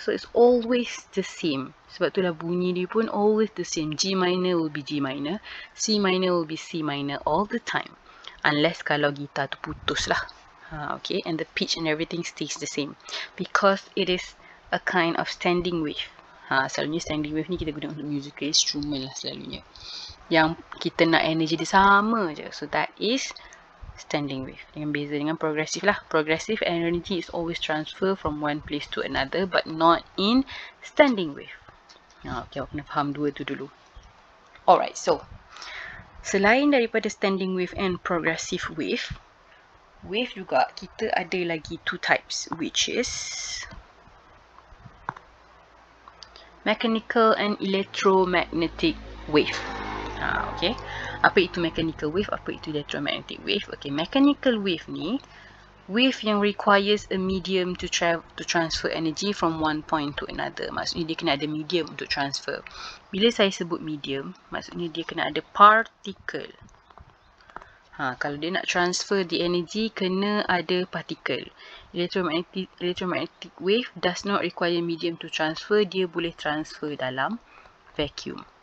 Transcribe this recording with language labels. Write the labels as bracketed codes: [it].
[en] So, it's always the same. [ms] Sebab itulah bunyi dia pun [en] always the same. G minor will be G minor. C minor will be C minor all the time. Unless [ms] kalau gitar tu putus lah. [en] Okay, and the pitch and everything stays the same. Because it is a kind of standing wave. [ms] Selalunya standing wave ni kita guna untuk musical instrument lah selalunya. Yang kita nak energy dia sama je. [en] So, that is standing wave. [ms] Dengan beza dengan progressive lah. [en] Progressive energy is always transfer from one place to another but not in standing wave. Okay, [ms] aku kena faham dua tu dulu. [en] Alright, so, [ms] selain daripada [en] standing wave and progressive wave, wave [ms] juga, kita ada lagi [en] two types, which is mechanical and electromagnetic wave. [ms] Okay, apa itu mechanical wave, apa itu electromagnetic wave? [en] Okay, mechanical wave ni, wave yang requires a medium to transfer energy from one point to another. [ms] Maksudnya, dia kena ada medium untuk transfer. Bila saya sebut medium, maksudnya dia kena ada particle. Kalau dia nak transfer the energy, kena ada particle. [en] Electromagnetic wave does not require medium to transfer. [ms] Dia boleh transfer dalam vacuum.